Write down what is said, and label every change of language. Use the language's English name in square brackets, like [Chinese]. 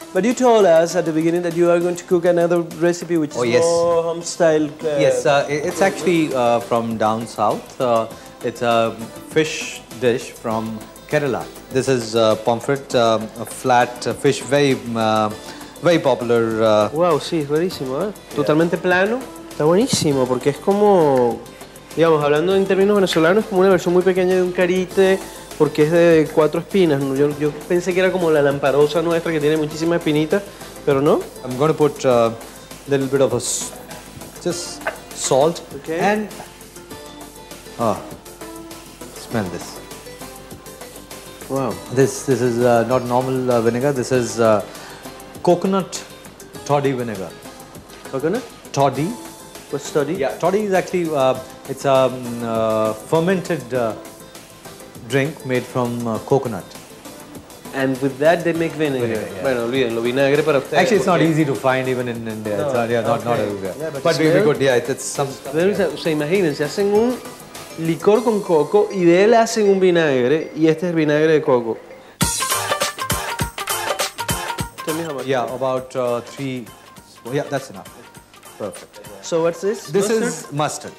[English] But you told us at the beginning that you are going to cook another recipe, which is more home-style. Yes, it's actually from down south. It's a fish dish from Kerala. This is pomfret, a flat fish, very popular. [Spanish] Wow, sí, es buenísimo. Totalmente plano. Está buenísimo porque es como, digamos, hablando en términos venezolanos, es como una versión muy pequeña de un karité porque es de cuatro espinas. Yo pensé que era como la lamparosa nuestra que tiene muchísimas espinitas, pero no. [English] I'm going to put a little bit of just salt. Okay. And smell this. Wow. This is not normal vinegar. This is coconut toddy vinegar. Coconut? Toddy. What's toddy? Yeah, toddy is actually it's a fermented drink made from coconut. And with that, they make vinegar. [Spanish] Bueno, olvídenlo, vinagre para ustedes. [English] Actually, it's not easy to find even in India. No. It's not everywhere. Yeah, but it's very good. Yeah, it's some. [Spanish] Se imaginen, se hacen un licor con coco y de él hacen un vinagre y este es el vinagre de coco. [English] Tell me how much. Yeah, about three. Yeah, that's enough. Perfect. So what's this? This mustard? Is mustard.